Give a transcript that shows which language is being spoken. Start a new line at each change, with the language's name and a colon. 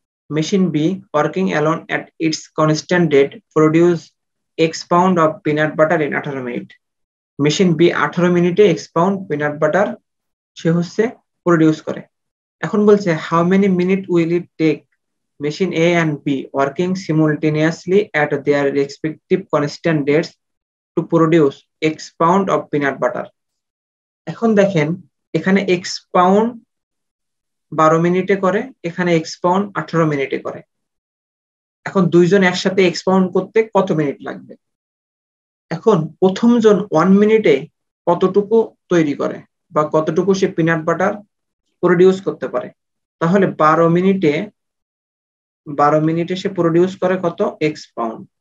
Bangla: Machine be working alone at it's constant rate produce x pound of peanut butter in 18 minute, machine B 18 মিনিটে x pound peanut butter সে হচ্ছে produce করে। এখন বলছে
English: How many minute will it take machine A and B working simultaneously at their respective constant dates to produce x pound of peanut butter.
Bangla: এখন দেখেন এখানে x pound 12 মিনিটে করে এখানে x pound 18 মিনিটে করে এখন দুইজন একসাথে x pound করতে কত মিনিট লাগবে এখন প্রথমজন 1 মিনিটে কতটুকু তৈরি করে বা কতটুকু সে peanut butter প্রোডিউস করতে পারে তাহলে 12 মিনিটে 12 মিনিটে সে প্রোডিউস করে কত x pound